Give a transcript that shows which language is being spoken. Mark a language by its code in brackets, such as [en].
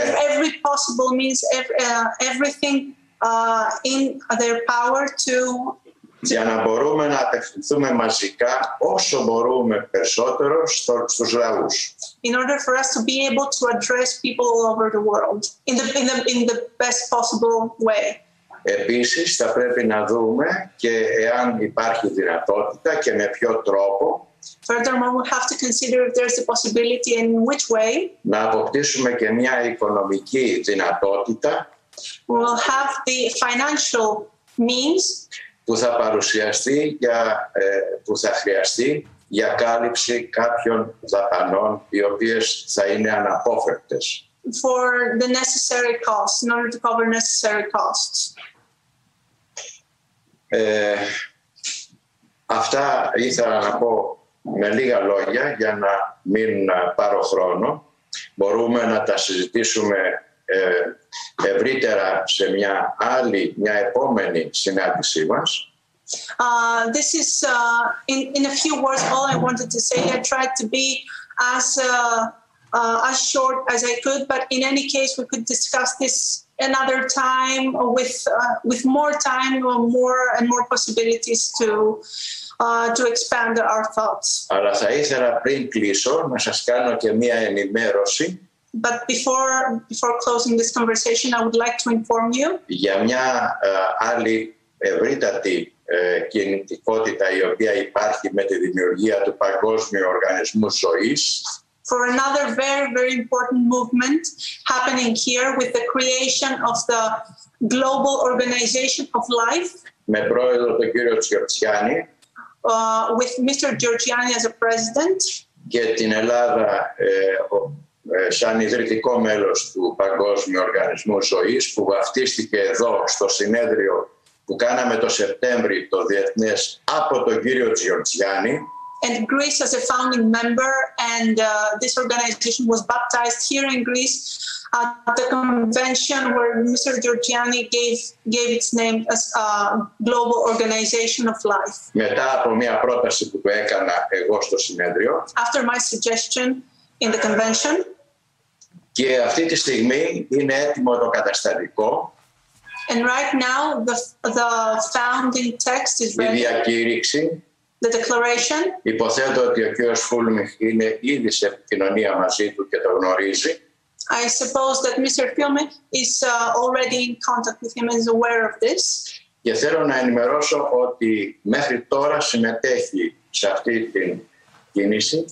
[en] every possible means, everything in their power to [el] για να μπορούμε να απευθυνθούμε μαζικά όσο μπορούμε περισσότερο στους λαούς. [en] In order for us to be able to address people all over the world in the best possible way. [el] Επίσης, θα πρέπει να δούμε και εάν υπάρχει δυνατότητα και με ποιο τρόπο. [en] Furthermore, we'll have to consider if there's a possibility and in which way. [el] Να αποκτήσουμε και μια οικονομική δυνατότητα. [en] We'll have the financial means. [el] Που θα παρουσιαστεί για, που θα χρειαστεί για κάλυψη κάποιων δαπανών οι οποίες θα είναι αναπόφευκτες. [en] For the necessary costs, in order to cover necessary costs. [el] Αυτά ήθελα να πω με λίγα λόγια για να μην πάρω χρόνο. Μπορούμε να τα συζητήσουμε ευρύτερα σε μια άλλη, μια επόμενη συνάντησή μας. [en] This is in a few words all I wanted to say. I tried to be as short as I could, but in any case we could discuss this another time with more time or more and more possibilities to expand our thoughts. [el] Αλλά θα ήθελα πριν κλείσω να σας κάνω και μια ενημέρωση. [en] But before closing this conversation, I would like to inform you. [el] Για μια άλλη ευρύτατη κινητικότητα η οποία υπάρχει με τη δημιουργία του Παγκόσμιου Οργανισμού Ζωής. [en] For another very, very important movement happening here with the creation of the Global Organization of Life. [el] Με πρόεδρο τον κύριο Τσιωτσιάνη. [en] With Mr. Georgiani as a president. [el] Και την Ελλάδα σαν ιδρυτικό μέλος του Παγκόσμιου Οργανισμού Ζωής που βαφτίστηκε εδώ στο συνέδριο που κάναμε το Σεπτέμβριο το Διεθνές από τον κύριο Τζιορτζιάνι. [en] And Greece as a founding member and this organization was baptized here in Greece at the convention where Mr. Georgiani gave its name as a global organization of life. [el] Μετά από μια πρόταση που έκανα εγώ στο συνέδριο. [en] After my suggestion in the convention. [el] Και αυτή τη στιγμή είναι έτοιμο το καταστατικό. [en] And right now the founding text is ready. [el] Η διακήρυξη. [en] the declaration. [el] Υποθέτω ότι ο κύριος Φούλμιχ είναι ήδη σε επικοινωνία μαζί του και το γνωρίζει. [en] I suppose that Mr. Φούλμιχ is already in contact with him and is aware of this. [el] Και θέλω να ενημερώσω ότι μέχρι τώρα συμμετέχει σε αυτή την κίνηση.